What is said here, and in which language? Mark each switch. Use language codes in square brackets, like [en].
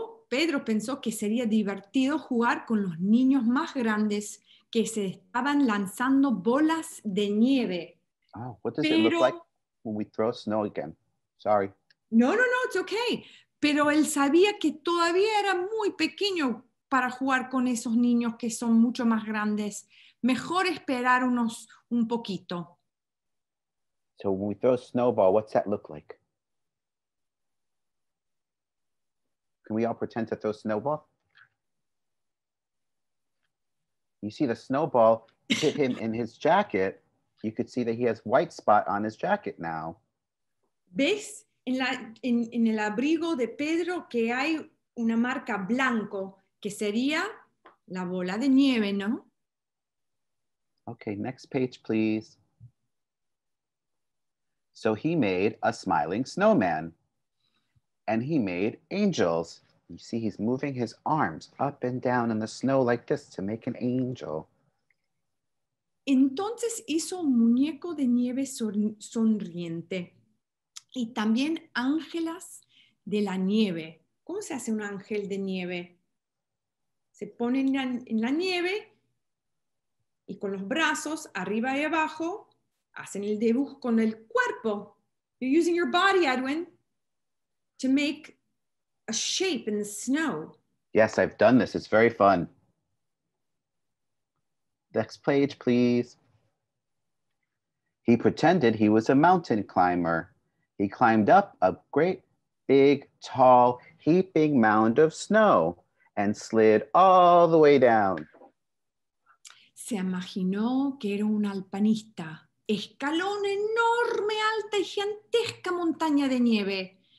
[es] Pedro pensó que sería divertido jugar con los niños más grandes que se estaban lanzando bolas de nieve. [en] Oh, what does it look like when we throw snow again? Sorry. No, it's okay. [es] Pero él sabía que todavía era muy pequeño para jugar con esos niños que son mucho más grandes. Mejor esperar un poquito. [en] So when we throw a snowball, what's that look like? Can we all pretend to throw snowball? You see the snowball hit him in his jacket. You could see that he has white spot on his jacket now. [es] ¿Ves en, la, en, en el abrigo de Pedro que hay una marca blanco que sería la bola de nieve, no? [en] Okay, next page, please. So he made a smiling snowman and he made angels. You see, he's moving his arms up and down in the snow like this to make an angel. [es] Entonces hizo un muñeco de nieve sonriente y también ángelas de la nieve. ¿Cómo se hace un ángel de nieve? Se pone en la nieve y con los brazos arriba y abajo hacen el dibujo con el cuerpo. [en] You're using your body, Edwin, to make a shape in the snow. Yes, I've done this. It's very fun. Next page, please. He pretended he was a mountain climber. He climbed up a great, big, tall, heaping mound of snow and slid all the way down. [es] Se imaginó que era un alpinista. Escaló una enorme, alta y gigantesca montaña de nieve.